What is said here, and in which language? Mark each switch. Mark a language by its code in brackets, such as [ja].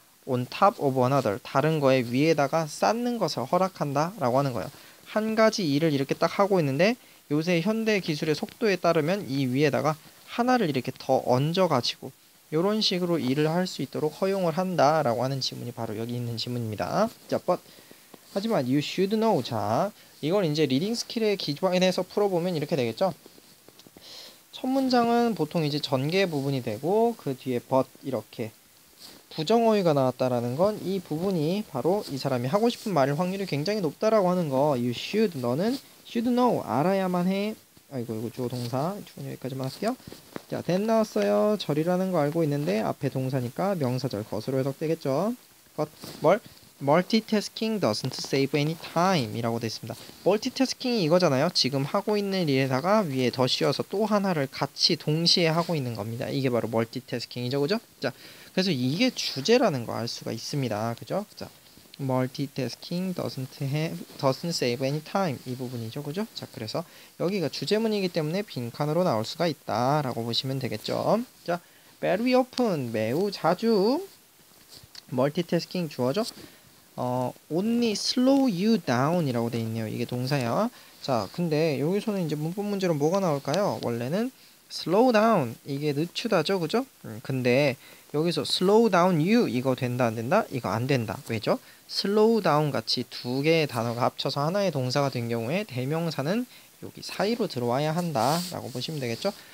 [en] On top of another, [ko] 다른 거에 위에다가 쌓는 것을 허락한다라고 하는 거예요. 한 가지 일을 이렇게 딱 하고 있는데 요새 현대 기술의 속도에 따르면 이 위에다가 하나를 이렇게 더 얹어가지고 요런 식으로 일을 할수 있도록 허용을 한다라고 하는 지문이 바로 여기 있는 지문입니다. [en] 자, but [ko] 하지만 [en] you should know. [ko] 자, 이걸 이제 리딩 스킬의 기반에서 풀어보면 이렇게 되겠죠? 첫 문장은 보통 이제 전개 부분이 되고 그 뒤에 but 이렇게 부정어휘가 나왔다라는 건이 부분이 바로 이 사람이 하고 싶은 말일 확률이 굉장히 높다라고 하는 거. [en] You should, [ko] 너는 [en] should know, [ko] 알아야만 해. 아이고, 이거 주어 동사. 여기까지만 할게요. 자, then 나왔어요. 절이라는 거 알고 있는데 앞에 동사니까 명사절 것으로 해석되겠죠. But 뭘? [en] Multitasking doesn't save any time이라고 [ko] 되어 있습니다. Multitasking이 이거잖아요. 지금 하고 있는 일에다가 위에 더 씌워서 또 하나를 같이 동시에 하고 있는 겁니다. 이게 바로 multitasking이죠, 그죠? 자, 그래서 이게 주제라는 거알 수가 있습니다. 그죠? [en] 자, Multitasking doesn't save any time [ko] 이 부분이죠, 그죠? 자, 그래서 여기가 주제문이기 때문에 빈칸으로 나올 수가 있다라고 보시면 되겠죠. 자, [en] very often, [ko] 매우 자주. Multitasking 주어죠? [en] Only slow you down [ko] 이라고 돼 있네요. 이게 동사야. 자, 근데 여기서는 이제 문법 문제로 뭐가 나올까요? 원래는 slow down 이게 늦추다죠, 그죠? 근데 여기서 slow down you 이거 된다 안 된다? 이거 안 된다. 왜죠? slow down 같이 두 개의 단어가 합쳐서 하나의 동사가 된 경우에 대명사는 여기 사이로 들어와야 한다라고 보시면 되겠죠?